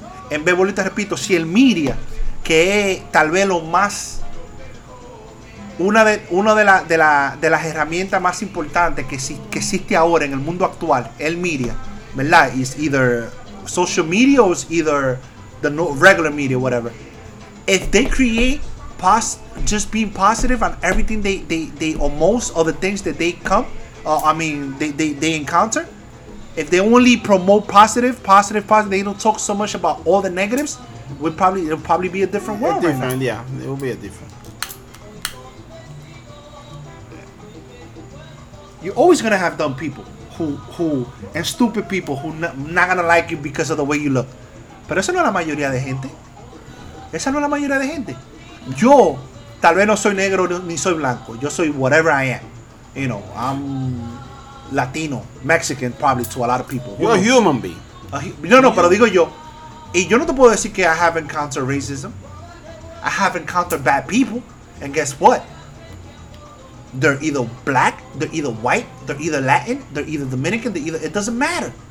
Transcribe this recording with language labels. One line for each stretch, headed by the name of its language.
Spanish: En vez, bolita, repito, si el media, que es tal vez lo más, una de las herramientas más importantes que existe ahora en el mundo actual, el media, ¿verdad?
English: Is either social media or is either the regular media, whatever. if they create just being positive on everything they or most of the things that they come, they encounter. If they only promote positive, they don't talk so much about all the negatives. It'll probably be a different world. It will be a different. You're always gonna have dumb people who and stupid people who not gonna like you because of the way you look.
Spanish: Pero eso no es la mayoría de gente. Esa no es la mayoría de gente. Yo, tal vez no soy negro ni soy blanco. Yo soy
English: whatever I am. You know, I'm Latino, Mexican, probably to a lot of people. You're a human being.
Spanish: Pero digo yo. Y yo no te puedo decir que
English: I have encountered racism. I have encountered bad people. And guess what? They're either black, they're either white, they're either Latin, they're either Dominican, it doesn't matter.